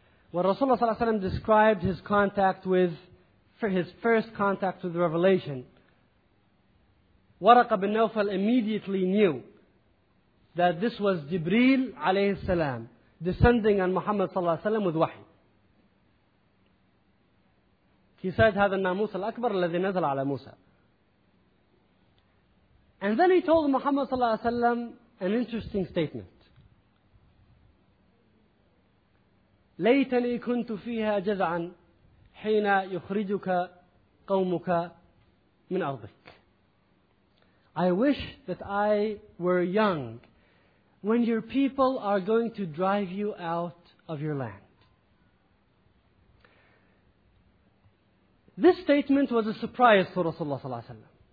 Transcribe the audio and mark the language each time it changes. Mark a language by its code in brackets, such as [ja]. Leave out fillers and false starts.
[en] When Rasulullah sallallahu alayhi wa sallam described his contact with, for his first contact with the revelation, Waraqa bin Nawfal immediately knew that this was Jibreel alayhi salam descending on Muhammad sallallahu alayhi wa sallam with wahi. He said, [ar] هذا الناموس الأكبر الذي نزل على موسى. [en] And then he told Muhammad صلى الله عليه وسلم an interesting statement. [ar] ليتني كنت فيها جزعا حين يخرجك قومك من أرضك. [en] I wish that I were young when your people are going to drive you out of your land. This statement was a surprise to Rasulullah sallallahu alaihi wasallam.